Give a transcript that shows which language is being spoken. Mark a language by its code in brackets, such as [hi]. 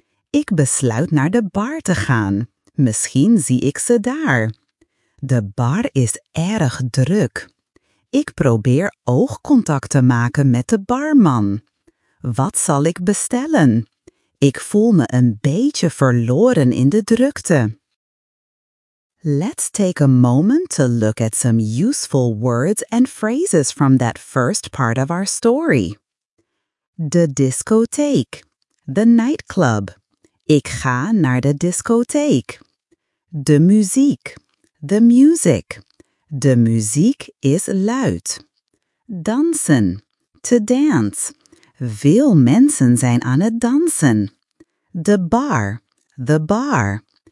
[nl] Ik besluit naar de bar te gaan. Misschien zie ik ze daar. De bar is erg druk. Ik probeer oogcontact te maken met de barman. Wat zal ik bestellen? Ik voel me een beetje verloren in de drukte. [en] Let's take a moment to look at some useful words and phrases from that first part of our story. [nl] De discotheek. [en] The nightclub. [nl] Ik ga naar de discotheek. De muziek. [en] The music. [nl] De muziek is luid. Dansen. [en] To dance. [nl] Veel mensen zijn aan het dansen. De bar. [en] The bar.